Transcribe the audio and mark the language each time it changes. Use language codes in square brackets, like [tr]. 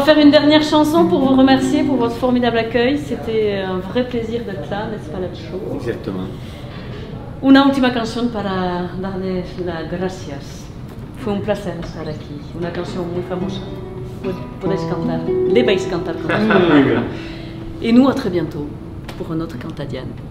[fr] Dernière chanson pour vous remercier pour votre formidable accueil. C'était un vrai plaisir d'être là, n'est-ce pas, Nacho? Exactement. [es] Una última canción para darles las gracias. Fue un placer estar aquí. Una canción muy famosa. Podéis cantar. Debéis cantar con nosotros. [fr] Et nous, à très bientôt pour un autre Cantadiane.